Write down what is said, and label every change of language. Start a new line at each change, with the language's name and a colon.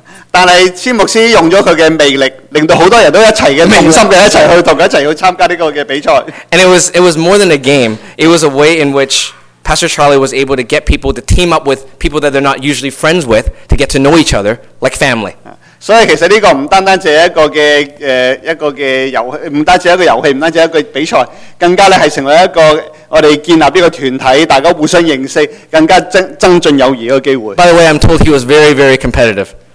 Cantonese: 但係千牧師用咗佢嘅魅力，令到好多人都一齊嘅同心嘅一齊去同佢一齊去參加呢個嘅比賽。
English: And it was more than a game. It was a way in which Pastor Charlie was able to get people to team up with people that they're not usually friends with to get to know each other like family.
Cantonese: 所以其實呢個唔單單只係一個嘅遊戲，唔單止一個遊戲，唔單止一個比賽，更加咧係成為一個。我哋建立呢個團體，大家互相認識，更加增進友誼嘅機會。
English: By the way, I'm told he was very, very competitive.